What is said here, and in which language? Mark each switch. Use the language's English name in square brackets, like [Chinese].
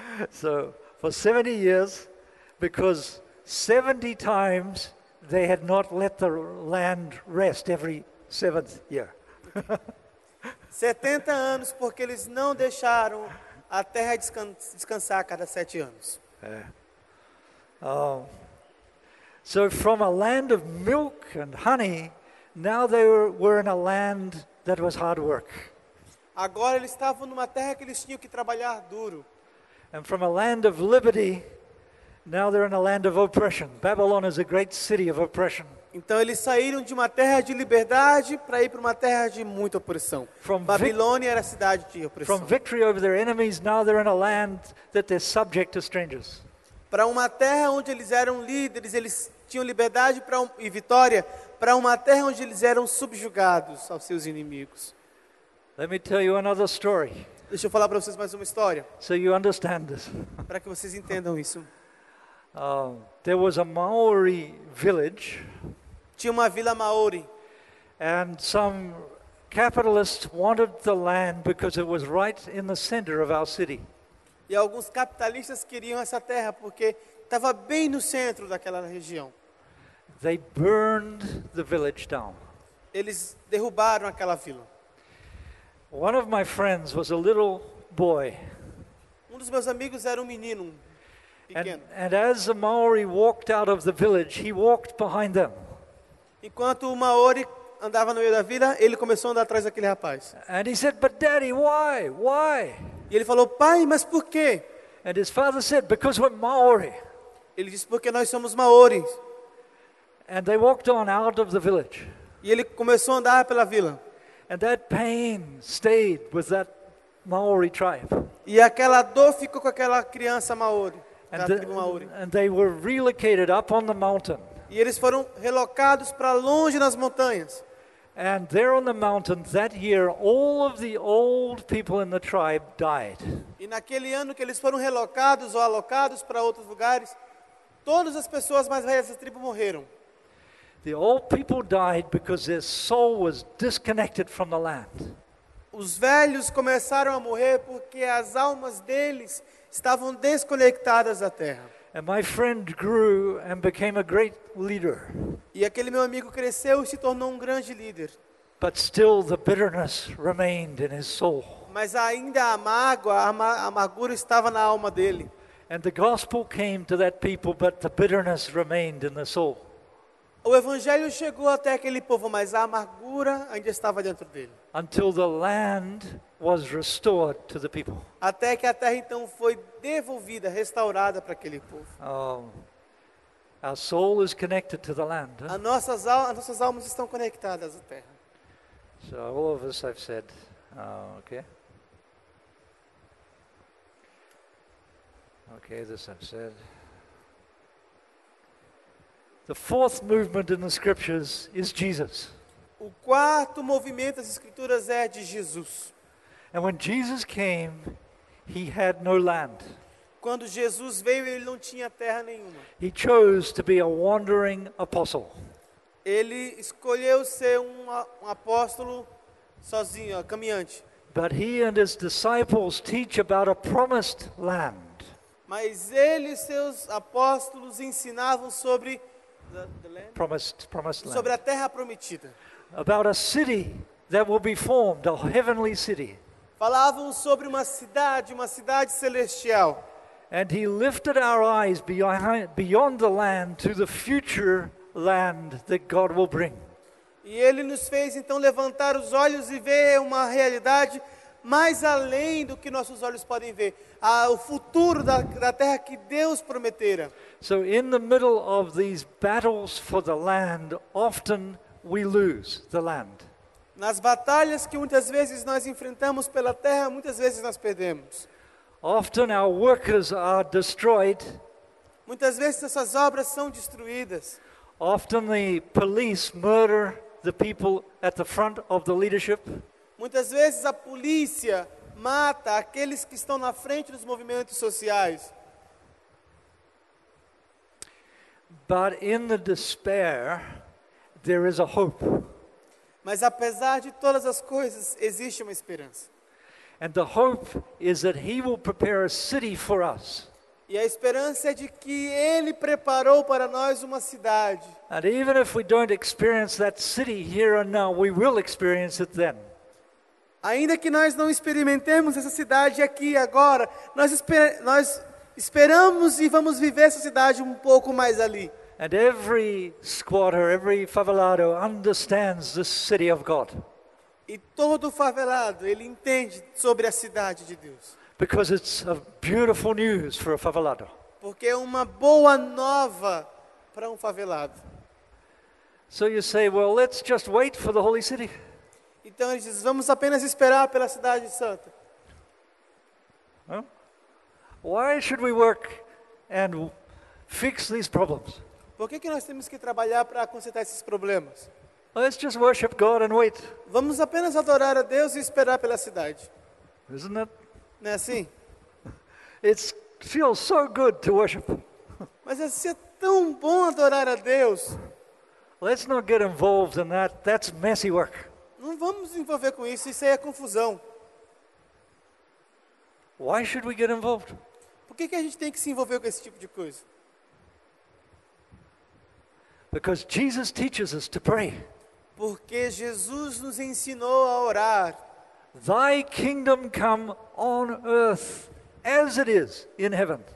[English] So for 70 years, because 70 times they had not let the land rest every seventh year. [Portuguese] 70 anos porque eles não deixaram a terra descansar a cada 7 anos. [English] So from a land of milk and honey, now they were in a land that was hard work. [Portuguese] Agora eles estavam numa terra que eles tinham que trabalhar duro. [English] And from a land of liberty, now they're in a land of oppression. Babylon is a great city of oppression. [Portuguese] Então eles saíram de uma terra de liberdade para ir para uma terra de muita opressão. Babilônia era a cidade de opressão. [English] From victory over their enemies, now they're in a land that they're subject to strangers. [Portuguese] para uma terra onde eles eram líderes, eles tinham liberdade e vitória, para uma terra onde eles eram subjugados aos seus inimigos. [English] Let me tell you another story. [Portuguese] Deixa eu falar para vocês mais uma história. [English] So you understand this. [Portuguese] Para que vocês entendam isso. [English] There was a Maori village. [Portuguese] Tinha uma vila Maori. [English] And some capitalists wanted the land because it was right in the center of our city. [Portuguese] E alguns capitalistas queriam essa terra porque estava bem no centro daquela região. [English] They burned the village down. [Portuguese] Eles derrubaram aquela vila. [English] One of my friends was a little boy. [Portuguese] Um dos meus amigos era um menino pequeno. [English] And as the Maori walked out of the village, he walked behind them. [Portuguese] Enquanto o Maori andava no meio da vila, ele começou a andar atrás daquele rapaz. [English] And he said, "But daddy, why? Why?" [Portuguese] E ele falou, "Pai, mas por quê?" [English] And his father said, "Because we're Maori." [Portuguese] Ele disse, "Porque nós somos Maoris." [English] And they walked on out of the village. [Portuguese] E ele começou a andar pela vila. [English] And that pain stayed with that Maori tribe. [Portuguese] E aquela dor ficou com aquela criança Maori, da tribo Maori. [English] And they were relocated up on the mountain. [Portuguese] E eles foram relocados para longe nas montanhas. [English] And there on the mountain that year, all of the old people in the tribe died. [Portuguese] E naquele ano que eles foram relocados ou alocados para outros lugares, todas as pessoas mais velhas da tribo morreram. [English] The old people died because their soul was disconnected from the land. [Portuguese] Os velhos começaram a morrer porque as almas deles estavam desconectadas da terra. [English] And my friend grew and became a great leader. [Portuguese] E aquele meu amigo cresceu e se tornou um grande líder. [English] But still the bitterness remained in his soul. [Portuguese] Mas ainda a mágoa, a amargura estava na alma dele. [English] And the gospel came to that people, but the bitterness remained in the soul. [Portuguese] O evangelho chegou até aquele povo, mas a amargura ainda estava dentro dele. [English] Until the land was restored to the people. [Portuguese] Até que a terra então foi devolvida, restaurada para aquele povo. [English] Oh, our soul is connected to the land. Huh? [Portuguese] As nossas almas estão conectadas à terra. [English] So all of us have said, okay. Okay, this I've said. The fourth movement in the scriptures is Jesus. [Portuguese] O quarto movimento das escrituras é de Jesus. [English] And when Jesus came, he had no land. [Portuguese] Quando Jesus veio, ele não tinha terra nenhuma. [English] He chose to be a wandering apostle. [Portuguese] Ele escolheu ser um apóstolo sozinho, caminhante. [English] But he and his disciples teach about a promised land. [Portuguese] Mas ele e seus apóstolos ensinavam sobre [English] Promised land. [Portuguese] Sobre a terra prometida. [English] About a city that will be formed, a heavenly city. [Portuguese] Falavam sobre uma cidade celestial. [English] And he lifted our eyes beyond the land to the future land that God will bring. [Portuguese] E ele nos fez então levantar os olhos e ver uma realidade mais além do que nossos olhos podem ver, o futuro da terra que Deus prometera. [English] So in the middle of these battles for the land, often we lose the land. [Portuguese] Nas batalhas que muitas vezes nós enfrentamos pela terra, muitas vezes nós perdemos. [English] Often our workers are destroyed. [Portuguese] Muitas vezes essas obras são destruídas. [English] Often the police murder the people at the front of the leadership. [Portuguese] Muitas vezes a polícia mata aqueles que estão na frente dos movimentos sociais. [English] But in the despair, there is a hope. [Portuguese] Mas apesar de todas as coisas, existe uma esperança. [English] And the hope is that he will prepare a city for us. [Portuguese] E a esperança é de que ele preparou para nós uma cidade. [English] And even if we don't experience that city here and now, we will experience it then. [Portuguese] Ainda que nós não experimentemos essa cidade aqui e agora, nós esperamos e vamos viver essa cidade um pouco mais ali. [English] And every squatter, every favelado understands the city of God. [Portuguese] E todo favelado, ele entende sobre a cidade de Deus. [English] Because it's a beautiful news for a favelado. [Portuguese] Porque é uma boa nova para um favelado. [English] So you say, well, let's just wait for the holy city. [Portuguese] Então ele diz, vamos apenas esperar pela cidade santa. [English] Why should we work and fix these problems? [Portuguese] Por que que nós temos que trabalhar para consertar esses problemas? [English] Let's just worship God and wait. [Portuguese] Vamos apenas adorar a Deus e esperar pela cidade. [English] Isn't it? [Portuguese] Não é assim? [English] It feels so good to worship. [Portuguese] Mas é ser tão bom adorar a Deus. [English] Let's not get involved in that. That's messy work. [Portuguese] Não vamos nos envolver com isso. Isso aí é confusão. [English] Why should we get involved? [Portuguese] Por que que a gente tem que se envolver com esse tipo de coisa? [English] Because Jesus teaches us to pray. [Portuguese] Porque Jesus nos ensinou a orar. [English] Thy kingdom come on earth as it is in heaven.